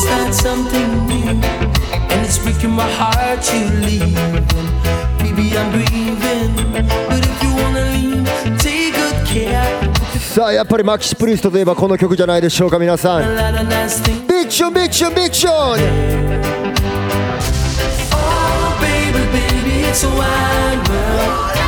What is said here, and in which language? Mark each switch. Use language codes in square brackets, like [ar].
[en] Something new, and it's breaking my heart to leave. Maybe I'm grieving, but if you wanna leave, take good care. [ja] さあやっぱりマキシプリストといえばこの曲じゃないでしょうか皆さん。ビクションビクションビクション。 [en] Oh baby baby it's a wild world.